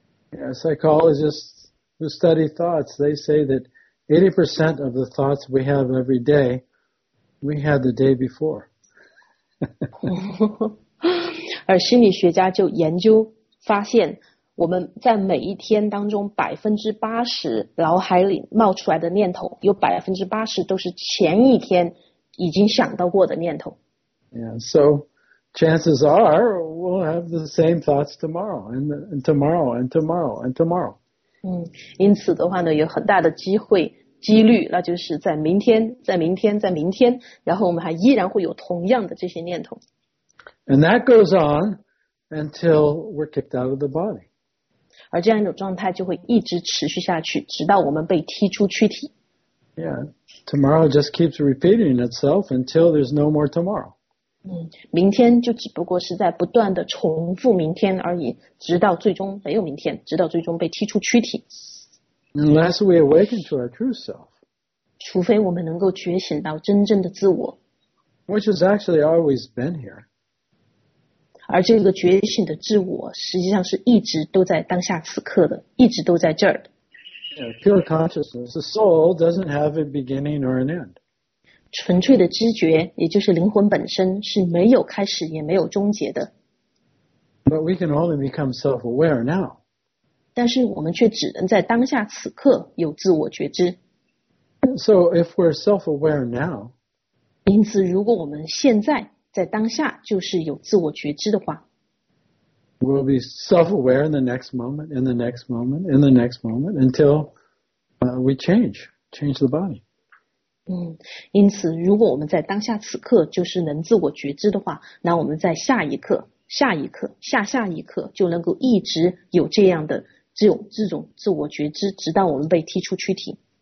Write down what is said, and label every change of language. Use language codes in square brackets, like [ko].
[en] Yeah, psychologists who study thoughts, they say that 80% of the thoughts we have every day, we had the day before. [zh] 而心理学家就研究发现，我们在每一天当中80%脑海里冒出来的念头，有80%都是前一天已经想到过的念头。 [en] Yeah, so chances are we'll have the same thoughts tomorrow and tomorrow and tomorrow and tomorrow. [zh] 因此的话呢，有很大的机会几率，那就是在明天，在明天，在明天，然后我们还依然会有同样的这些念头。 [en] And that goes on until we're kicked out of the body. [zh] 而这样一种状态就会一直持续下去，直到我们被踢出躯体。 [en] Yeah, tomorrow just keeps repeating itself until there's no more tomorrow. [zh] 明天就只不过是在不断的重复明天而已，直到最终没有明天，直到最终被踢出躯体。 [en] Unless we awaken to our true self. [zh] 除非我们能够觉醒到真正的自我。 [en] Which has actually always been here. [zh] 而这个觉醒的自我实际上是一直都在当下此刻的，一直都在这儿的。 [en] Yeah, pure consciousness, the soul doesn't have a beginning or an end. [zh] 纯粹的知觉，也就是灵魂本身，是没有开始也没有终结的。 [en] But we can only become self-aware now. [zh] 但是我们却只能在当下此刻有自我觉知。 [en] So if we're self-aware now, [zh] 因此如果我们现在在当下就是有自我觉知的话， [en] we'll be self-aware in the next moment, in the next moment, in the next moment, until we change the body. [zh] 因此如果我们在当下此刻就是能自我觉知的话，那我们在下一刻，下一刻，下下一刻就能够一直有这样的这种自我觉知，直到我们被踢出躯体。